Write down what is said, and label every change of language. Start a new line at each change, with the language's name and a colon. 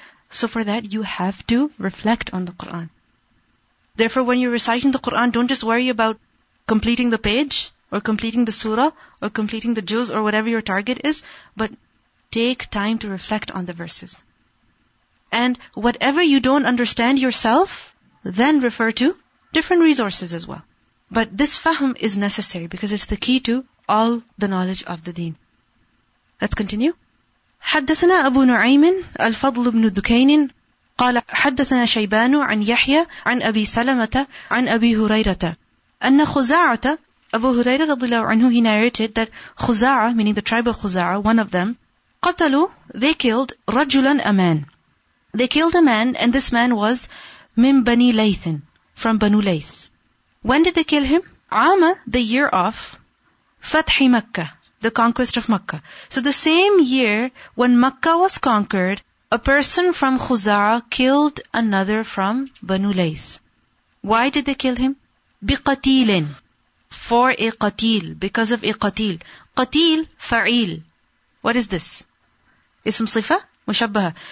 English: So for that, you have to reflect on the Qur'an. Therefore, when you're reciting the Qur'an, don't just worry about completing the page, or completing the surah, or completing the juz, or whatever your target is, but take time to reflect on the verses. And whatever you don't understand yourself, then refer to different resources as well. But this fahm is necessary, because it's the key to all the knowledge of the deen. Let's continue.
Arabic: حدثنا أبو نعيم الفضل بن دكين قال حدثنا شيبان عن يحيى عن أبي سلمة عن أبي هريرة أن خزاعة أبو هريرة رضي الله عنه
English: he narrated that خزاعة meaning the tribe of خزاعة one of them قتلوا they killed رجلا a man they killed a man and this man was
Arabic: من بني ليث
English: from بنو ليث when did they kill him عام the year of فتح مكة The conquest of Makkah. So the same year when Makkah was conquered, a person from Khuza'a killed another from Banu Lays. Why did they kill him? بِقَتِيلٍ For a qatil, because of a qatil. Qatil, fa'il. What is this? Ism sifa? Mushabbaha.